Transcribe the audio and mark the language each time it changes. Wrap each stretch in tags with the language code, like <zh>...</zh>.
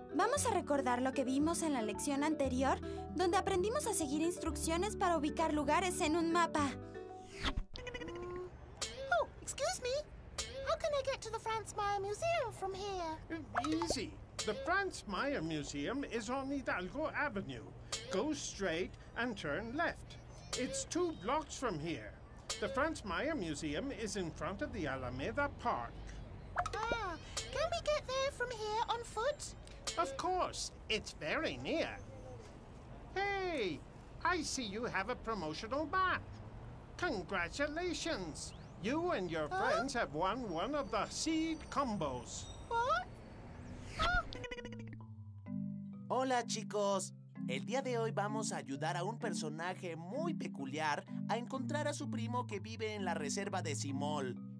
<es>Vamos a recordar lo que vimos en la lección anterior, donde aprendimos a seguir instrucciones para ubicar lugares en un mapa.</es> <en>Oh, excuse me. How can I get to the Franz Mayer Museum from here? Easy. The Franz Mayer Museum is on Hidalgo Avenue. Go straight and turn left. It's two blocks from here. The Franz Mayer Museum is in front of the Alameda Park. Ah, can we get there from here on foot? Of course. It's very near. Hey, I see you have a promotional map. Congratulations. You and your friends have won one of the seed combos.</en> <es>Hola, chicos. El día de hoy vamos a ayudar a un personaje muy peculiar a encontrar a su primo que vive en la reserva de Simol.</es>